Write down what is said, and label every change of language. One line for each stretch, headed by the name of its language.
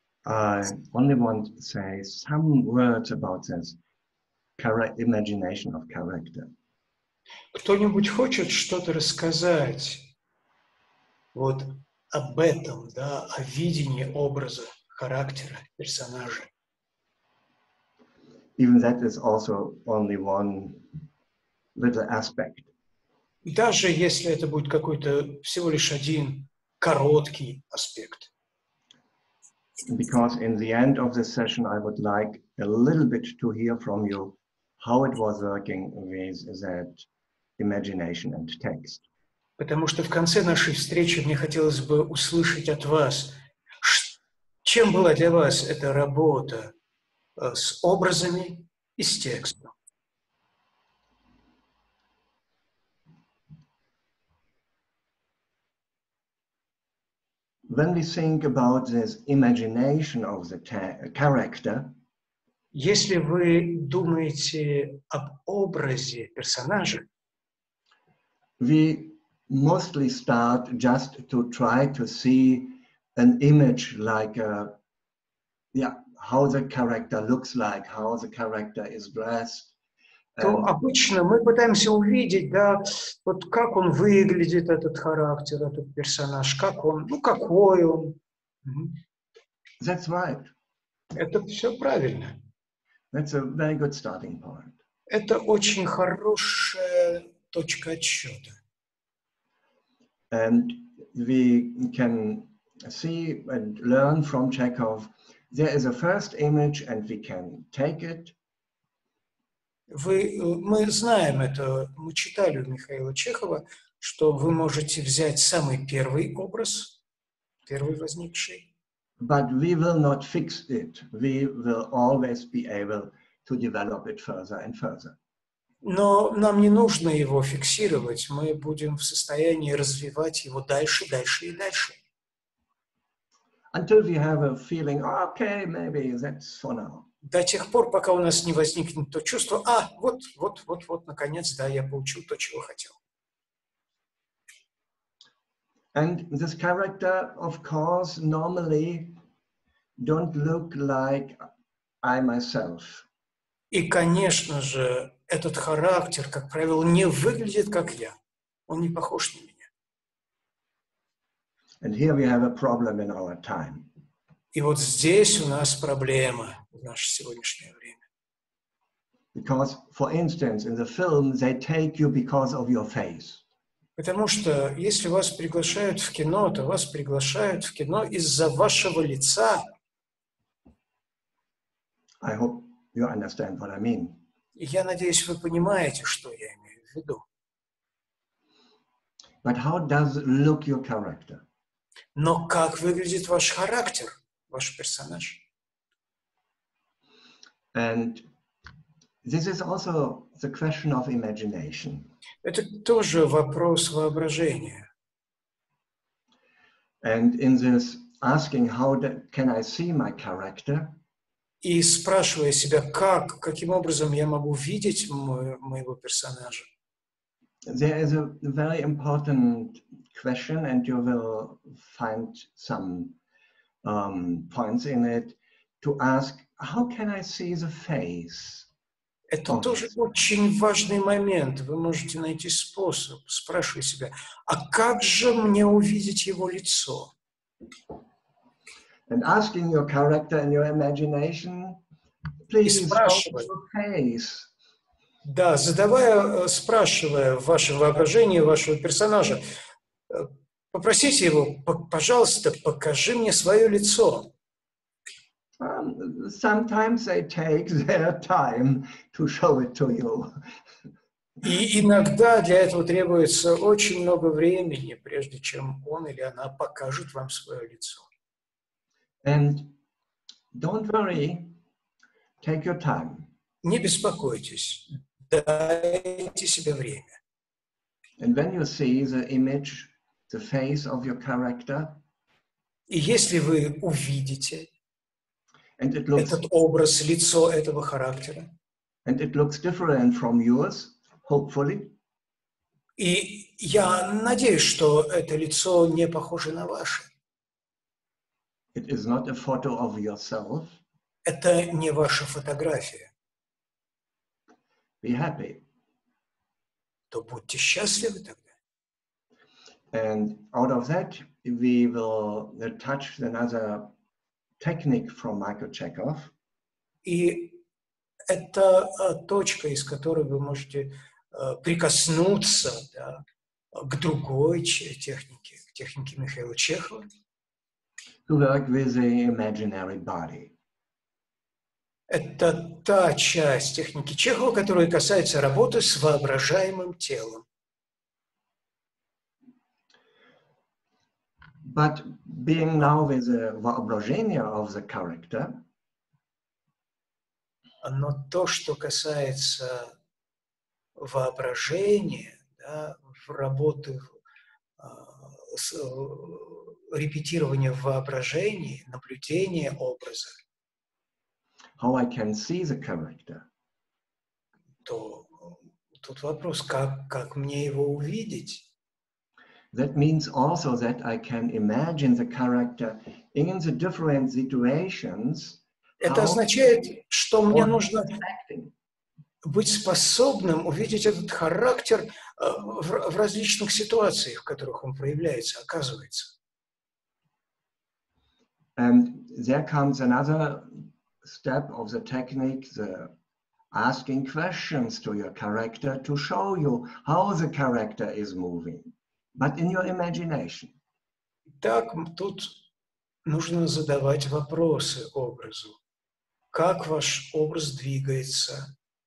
English: I only want to say some words about this imagination of character.
Russian: Кто-нибудь хочет что-то рассказать вот об этом, да, о видении образа, характера, персонажа?
English: Even that is also only one little aspect.
Russian: Даже если это будет какой-то всего лишь один короткий аспект.
English: Because in the end of this session, I would like a little bit to hear from you how it was working with that imagination and text.
Russian: Потому что в конце нашей встречи мне хотелось бы услышать от вас, чем была для вас эта работа с образами и с текстом.
English: When we think about this imagination of the character,
Russian: если вы думаете об образе персонажа,
English: we mostly start just to try to see an image like, how the character looks like, how the character is dressed.
Russian: То обычно мы пытаемся увидеть, да, вот как он выглядит, этот характер, этот персонаж, как он, ну, какой он.
English: That's right.
Russian: Это все правильно.
English: That's a very good starting point.
Russian: Это очень хорошая точка отсчета.
English: And we can see and learn from Chekhov. There is a first image, and we can take it.
Russian: Мы знаем это. Мы читали у Михаила Чехова, что вы можете взять самый первый образ, первый возникший.
English: But we will not fix it. We will always be able to develop it further and further.
Russian: Но нам не нужно его фиксировать. Мы будем в состоянии развивать его дальше, дальше и дальше.
English: Until we have a feeling, okay, maybe that's for now.
Russian: До тех пор, пока у нас не возникнет то чувство, вот, наконец, да, я получил то, чего хотел.
English: And this character, of course, normally don't look like I myself.
Russian: И, конечно же, этот характер, как правило, не выглядит как я. Он не похож на меня.
English: And here we have a problem in our time.
Russian: И вот здесь у нас проблема в наше сегодняшнее время.
English: Because, for instance, in the film, they take you because of your face.
Russian: Потому что если вас приглашают в кино, то вас приглашают в кино из-за вашего лица.
English: I hope you understand what I mean.
Russian: Я надеюсь, вы понимаете, что я имею в виду.
English: But how does look your character?
Russian: Но как выглядит ваш характер, ваш персонаж?
English: And this is also the question of imagination.
Russian: Это тоже вопрос воображения.
English: And in this asking, how can I see my character?
Russian: И спрашивая себя, как, каким образом я могу видеть моего персонажа?
English: There is a very important question, and you will find some points in it, to ask, how can I see the face?
Russian: Это тоже очень важный момент. Вы можете найти способ. Спрашивай себя, а как же мне увидеть его лицо?
English: And asking your character and your imagination, please ask your face.
Russian: Да, спрашивая ваше воображение, вашего персонажа, попросите его, пожалуйста, покажи мне свое лицо.
English: Sometimes they take their time to show it to you.
Russian: И иногда для этого требуется очень много времени, прежде чем он или она покажет вам свое лицо.
English: And don't worry, take your time.
Russian: Не беспокойтесь, дайте себе время.
English: And when you see the image, the face of your character,
Russian: и если вы увидите этот образ, лицо этого характера.
English: And it looks different from yours, hopefully.
Russian: И я надеюсь, что это лицо не похоже на ваше.
English: It is not a photo of yourself.
Russian: Это не ваша фотография.
English: Be happy.
Russian: То будьте счастливы тогда.
English: And out of that, we will touch another technique from Michael Chekhov.
Russian: И это точка, из которой вы можете прикоснуться, да, к другой технике, к технике Михаила Чехова.
English: To work with the imaginary body.
Russian: Это та часть техники Чехова, которая касается работы с воображаемым телом.
English: But being now with the воображение of the character,
Russian: но то, что касается воображения, да, работы с репетированием воображений, наблюдения образа,
English: how I can see the character,
Russian: то тут вопрос, как мне его увидеть.
English: That means also that I can imagine the character in the different situations.
Russian: Это означает, что мне нужно быть способным увидеть этот характер в различных ситуациях, в которых он проявляется, оказывается.
English: And there comes another step of the technique, the asking questions to your character to show you how the character is moving, but in your imagination.
Russian: Так, тут нужно задавать вопросы образу. Как ваш образ двигается?